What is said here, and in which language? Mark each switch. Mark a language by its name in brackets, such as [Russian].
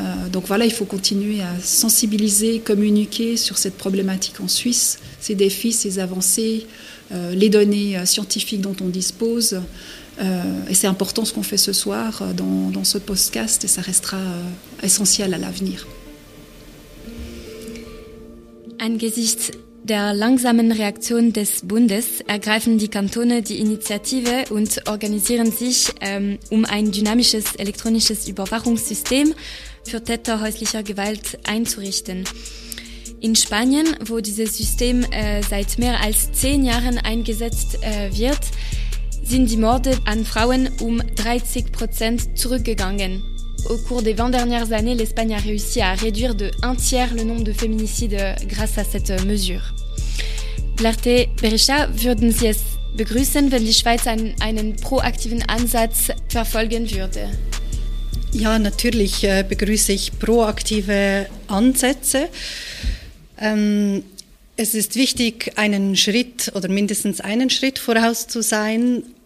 [French] Donc voilà, il faut continuer à sensibiliser, communiquer sur cette problématique en Suisse, ces défis, ces avancées, les données scientifiques dont on dispose. Et c'est important ce qu'on fait ce soir dans ce podcast et ça restera essentiel à l'avenir. [German] Angesichts der langsamen Reaktion des Bundes ergreifen die Kantone die Initiative und organisieren sich, um ein dynamisches elektronisches Überwachungssystem für Täter häuslicher Gewalt einzurichten. In Spanien, wo dieses System seit mehr als 10 Jahren eingesetzt wird, sind die Morde an Frauen um 30% zurückgegangen. [French] Au cours des 20 dernières années, l'Espagne a réussi à réduire de un tiers le nombre de féminicides grâce à cette mesure. [German] Blarté Berisha, würden Sie es begrüßen, wenn die Schweiz einen proaktiven Ansatz verfolgen würde? Ja, natürlich begrüße ich proaktive Ansätze. Es ist wichtig, einen Schritt oder mindestens einen Schritt voraus zu sein.